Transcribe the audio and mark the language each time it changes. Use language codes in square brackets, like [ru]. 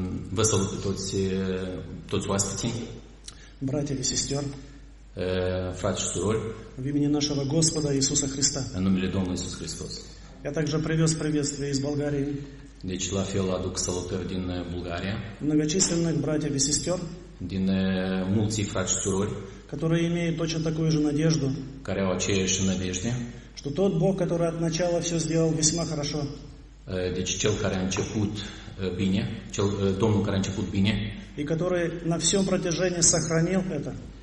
[ro] Vă salut pe toți oaspeții. [ru] Братья и сестер. [ro] Frate și surori, [ru] в имени нашего Господа Иисуса Христа. [ro] În numele Domnului Iisus Hristos. [ru] Я также привез приветствие из Болгарии. [ro] Deci, la fel aduc salutări din Bulgaria. [ru] Многочисленных братьев и сестер. [ro] Din mulții frați și surori. [ru] Которые имеют точно такую же надежду. [ro] Care au aceeași nădejde. [ru] Что тот Бог, который от начала все сделал весьма хорошо. [ro] Deci, cel care a început bine, Domnul care a început bine. [ru] И который на всем протяжении сохранил это.